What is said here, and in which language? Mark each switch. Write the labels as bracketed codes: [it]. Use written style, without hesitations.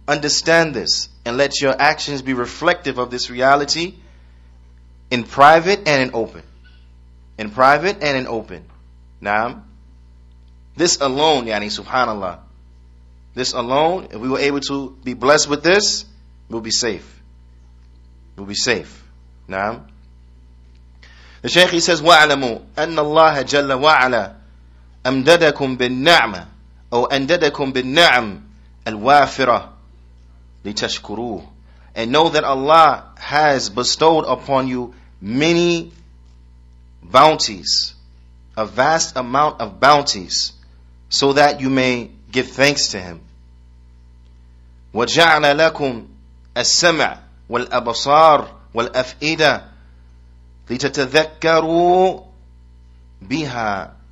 [en] Understand this. And let your actions be reflective of this reality in private and in open. In private and in open. Na'am. This alone, [ar] yani subhanAllah. [en] This alone, if we were able to be blessed with this, we'll be safe. We'll be safe. Na'am. The Shaykh, he says, [ar] وَعَلَمُوا أَنَّ اللَّهَ جَلَّ وَعَلَى أَمْدَدَكُمْ بِالنَّعْمَ أَوْ أَمْدَدَكُمْ بِالنَّعْمِ الْوَافِرَةِ لِتَشْكُرُوهُ. [en] And know that Allah has bestowed upon you many bounties, a vast amount of bounties, so that you may give thanks to Him. [ar] وَجَعْلَ لَكُمْ السَّمْعَ وَالْأَبْصَارَ وَالْأَفْئِدَةَ لِتَتَذَكَّرُوا بِهَا.